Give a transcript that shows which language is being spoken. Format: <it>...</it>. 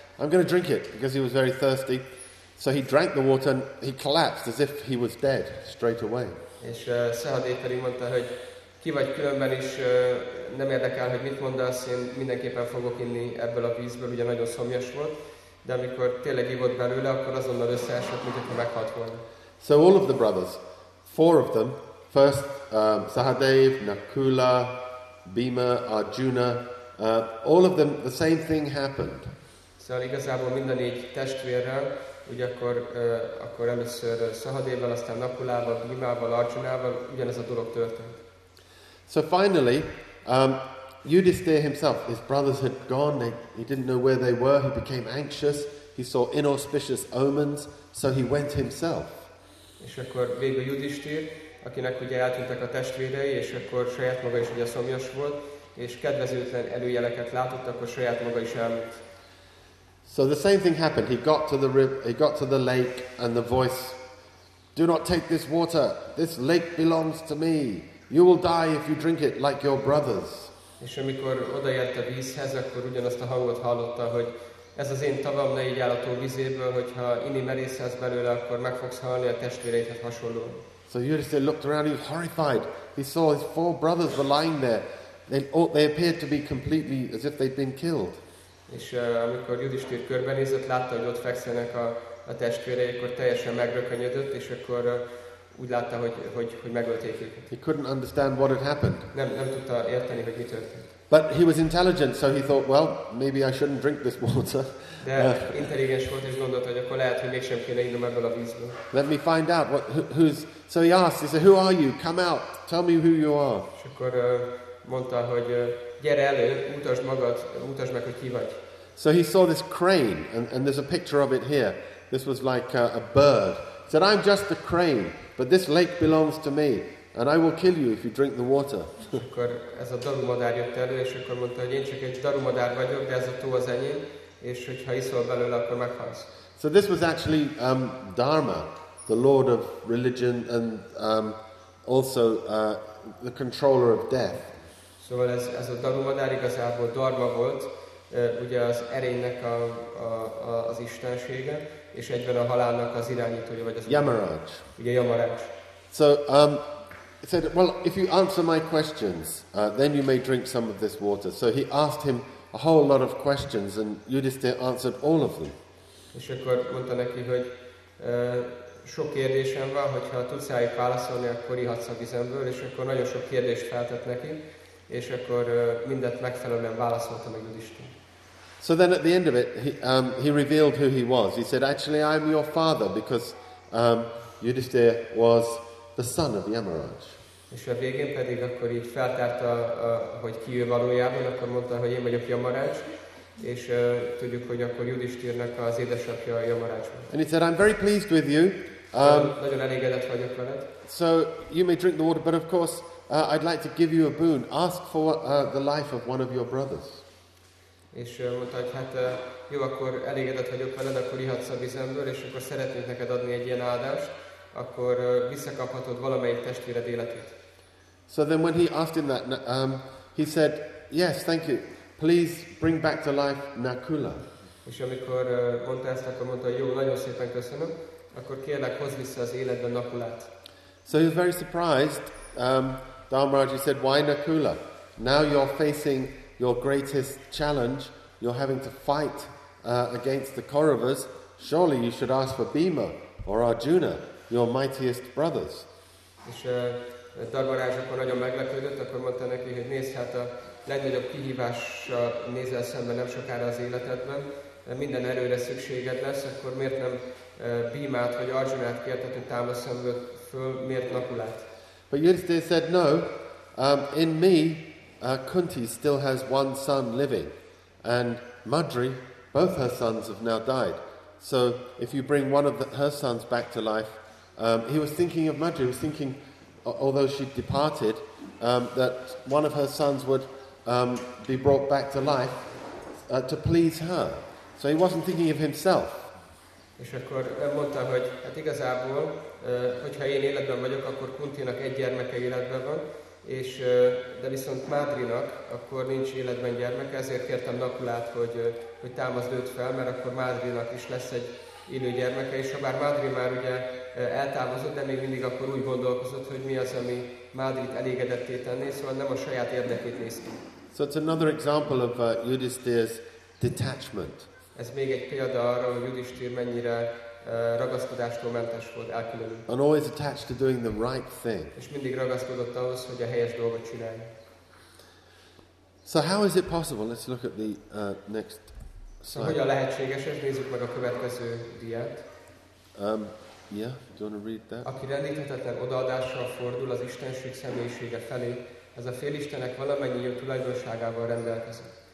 <en>I'm going to drink it," because he was very thirsty. So he drank the water and he collapsed as if he was dead straight away.</en> <hu>És Sahadev pedig mondta, hogy ki vagy különben is, nem érdekel, hogy mit mondasz, én mindenképpen fogok inni ebből a vízből, ugye nagyon szomjas volt, de amikor tényleg ivott belőle, akkor azonnal összeesett, mint hogyha meghalt volna.</hu> <en>So all of the brothers, four of them, first Sahadev, Nakula, Bhima, Arjuna, all of them, the same thing happened.</en> <hu>Szóval igazából mind a négy testvérrel, ugye akkor először Sahadevvel, aztán Nakulával, Bhimával, Arjunával, ugyanez a dolog történt.</hu> <en>So finally, Yudhisthira himself, his brothers had gone, he didn't know where they were, he became anxious, he saw inauspicious omens, so he went himself.</en> <hu>És akkor végül Yudhisthira, akinek ugye eltűntek a testvérei, és akkor saját maga is ugye szomjas volt, és kedvezőtlen előjeleket látott, akkor saját maga is elment.</hu> <en>So the same thing happened. He got to the lake and the voice, "Do not take this water. This lake belongs to me. You will die if you drink it like your brothers."</en> <hu>És amikor odaért a vízhez, akkor ugyanazt a hangot hallotta, hogy ez az én tavam, ne így áll a tó vízéből, hogyha inni merészelsz belőle, akkor meg fogsz halni a testvéreidhez hasonlóan.</hu> <en>So Yudhisthira looked around, he was horrified. He saw his four brothers were lying there. They appeared to be completely as if they'd been killed.</en> <hu>És amikor Yudhisthira körbenézett, látta, hogy ott fekszenek a testvérei, akkor teljesen megrökönyödött, és akkor úgy látta, hogy megölték őket.</hu> <en>He couldn't understand what had happened.</en> <hu>Nem tudta érteni, hogy mi történt.</hu> <en>But he was intelligent, so he thought, "Well, maybe I shouldn't drink this water."</en> <hu>De intelligens volt, és gondolta, hogy akkor lehet, hogy mégsem kéne innom ebből a vízből.</hu> <en>"Let me find out who's." So he asked. He said, "Who are you? Come out. Tell me who you are."</en> <hu>És akkor mondta, hogy gyere elő, mutasd meg, hogy ki vagy.</hu> <en>So he saw this crane, and there's a picture of it here. This was like a bird. He said, "I'm just a crane, but this lake belongs to me, and I will kill you if you drink the water."</en> <hu>Akkor ez a darumadár jött elő, és akkor mondta, hogy én csak egy darumadár vagyok, de ez a tó az enyém, és hogyha iszol belőle, akkor meghalsz.</hu> <en>So this was actually Dharma, the lord of religion, and also the controller of death.</en> <hu>Szóval ez a darumadár igazából Dharma volt, ugye az erénynek az istensége, és egyben a halálnak az irányítója, vagy az</hu> <en>Yamaraj.</en> <hu>Ugye Yamaraj.</hu> <en>So, he said, "Well, if you answer my questions, then you may drink some of this water." So he asked him a whole lot of questions, and Yudhisthira answered all of them.</en> <hu>És akkor mondta neki, hogy sok kérdésem van, hogyha tudsz rájuk válaszolni, akkor ihatsz a vizemből, és akkor nagyon sok kérdést feltett neki, és akkor mindent megfelelően válaszolta meg Yudhisthira.</hu> <en>So then at the end of it, he revealed who he was. He said, "Actually, I'm your father, because Yudhisthira was the son of Yamaraj."</en> <hu>És a végén pedig akkor így feltárta, hogy ki ő valójában, akkor mondta, hogy én vagyok Jamarács, és tudjuk, hogy akkor Judistírnek az édesapja Jamarács volt.</hu> <en>And he said, I'm very pleased with you.</en> <hu>Nagyon elégedett vagyok veled.</hu> <en>So you may drink the water, but of course I'd like to give you a boon. Ask for the life of one of your brothers.</en> <hu>És mondta, hogy hát jó, akkor elégedett vagyok veled, akkor ihatsz a vizemből, és akkor szeretnék neked adni egy ilyen áldást, akkor visszakaphatod valamelyik testvéred életét.</hu> <en>So then when he asked him that, he said, yes, thank you, please bring back to life Nakula.</en> <hu>És amikor mondta ezt, akkor mondta, jó, nagyon szépen köszönöm, akkor kérlek, hozz vissza az életben Nakulát.</hu> <en>So he was very surprised. Dharmaraj, he said, why Nakula? Now you're facing your greatest challenge, you're having to fight against the Kauravas, surely you should ask for Bhima or Arjuna, your mightiest brothers.</en> <hu>És Dharmaraj akkor nagyon meglepődött, akkor mondta neki, hogy nézd, hát a legnagyobb kihívással nézel szemben nem sokára az életedben, minden erőre szükséged lesz, akkor miért nem Bhimát vagy Arjunát kérted, hogy támasz szemből föl, miért Nakulát?</hu> <en>But Yudhisthira said, no, in me, Kunti still has one son living, and Madri, both her sons have now died. So if you bring one of her sons back to life, he was thinking of Madri, he was thinking, although she departed, that one of her sons would be brought back to life to please her. So he wasn't thinking of himself.</en> <hu>És akkor mondta, hogy hát igazából, hogyha én életben vagyok, akkor Kuntinak egy gyermeke életben van, és de viszont Madrinak akkor nincs életben gyermeke, ezért kértem Nakulát, hogy támaszd őt fel, mert akkor Madrinak is lesz egy élő gyermeke, és ha bár Madri már ugye eltávozott, de még mindig akkor úgy gondolkozott, hogy mi az, ami Madrit elégedetté tenné, szóval nem a saját érdekét néz ki.</hu> <en>So it's another example of Yudhisthira's detachment.</en> <hu>Ez még egy példa arra, hogy Yudhisthira mennyire ragaszkodástól mentes volt, elkülönül.</hu> <en>And always attached to doing the right thing.</en> <hu>És mindig ragaszkodott ahhoz, hogy a helyes dolgot csinálja.</hu> <en>So how is it possible? Let's look at the next slide.</en> <hu>Hogyan lehetséges ez? Nézzük meg a következő diát.</hu> <en>Yeah, do you want to read that?</en> <hu>Aki rendíthetetlen odaadással fordul az istenség személyisége felé, ez a félistenek valamennyi jó tulajdonságával rendelkezik.</hu>